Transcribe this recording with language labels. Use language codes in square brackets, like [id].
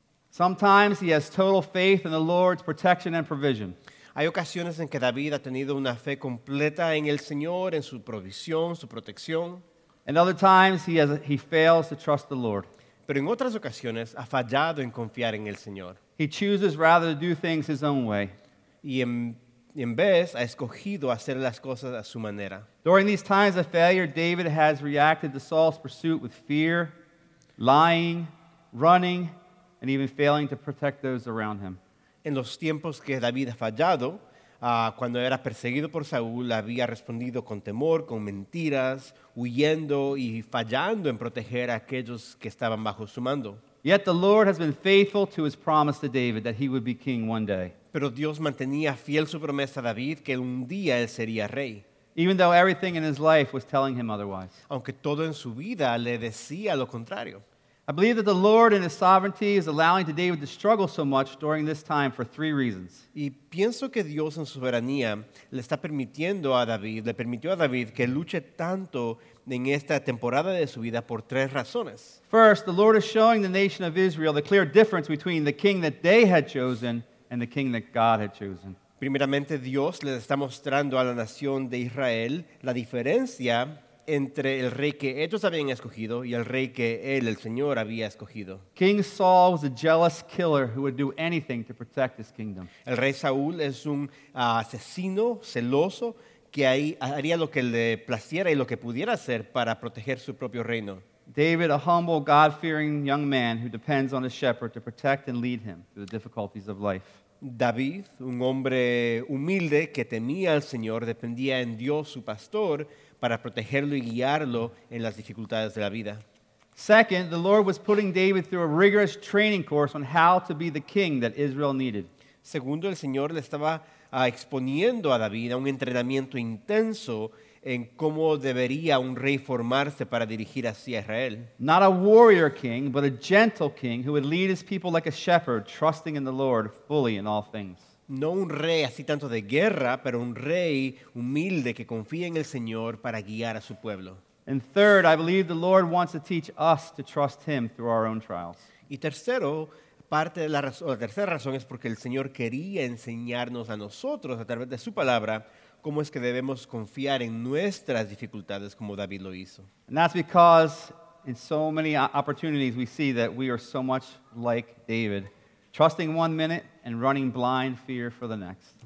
[en] Sometimes he has total faith in the Lord's protection and provision. [es] Hay ocasiones en que David ha tenido una fe completa en el Señor, en su provisión, su protección. [en] And other times he fails to trust the Lord. [es] Pero en otras ocasiones ha fallado en confiar en el Señor. [en] He chooses rather to do things his own way. [es] Y en vez ha escogido hacer las cosas a su manera. [en] During these times of failure, David has reacted to Saul's pursuit with fear, lying, running, and even failing to protect those around him. [es] En los tiempos que David ha fallado, cuando era perseguido por Saúl, había respondido con temor, con mentiras, huyendo y fallando en proteger a aquellos que estaban bajo su mando. [en] Yet the Lord has been faithful to his promise to David that he would be king one day. [es] Pero Dios mantenía fiel su promesa a David que un día él sería rey. [en] Even though everything in his life was telling him otherwise. [es] Aunque todo en su vida le decía lo contrario. [en] I believe that the Lord in his sovereignty is allowing David to struggle so much during this time for three reasons. [es] Y pienso que Dios en su soberanía le está permitiendo a David, le permitió a David que luche tanto en esta temporada de su vida por tres razones. [en] First, the Lord is showing the nation of Israel the clear difference between the king that they had chosen and the king that God had chosen. [es] Primeramente, Dios le está mostrando a la nación de Israel la diferencia entre el rey que ellos habían escogido y el rey que él, el Señor, había escogido. [en] King Saul was a jealous killer who would do anything to protect his kingdom. [es] El rey Saúl es un asesino celoso que haría lo que le placiera y lo que pudiera hacer para proteger su propio reino. [en] David, a humble, God-fearing young man who depends on his shepherd to protect and lead him through the difficulties of life. [es] David, un hombre humilde que temía al Señor, dependía en Dios, su pastor, para protegerlo y guiarlo en las dificultades de la vida. [en] Second, the Lord was putting David through a rigorous training course on how to be the king that Israel needed. [es] Segundo, el Señor le estaba exponiendo a David a un entrenamiento intenso en cómo debería un rey formarse para dirigir hacia Israel. [en] Not a warrior king, but a gentle king who would lead his people like a shepherd, trusting in the Lord fully in all things. [es] No un rey así tanto de guerra, pero un rey humilde que confía en el Señor para guiar a su pueblo. [en] And third, I believe the Lord wants to teach us to trust him through our own trials. [es] Y tercero, la tercera razón es porque el Señor quería enseñarnos a nosotros a través de su palabra cómo es que debemos confiar en nuestras dificultades como David lo hizo. [en] And that's because in so many opportunities we see that we are so much like David, trusting one minute and running blind fear for the next.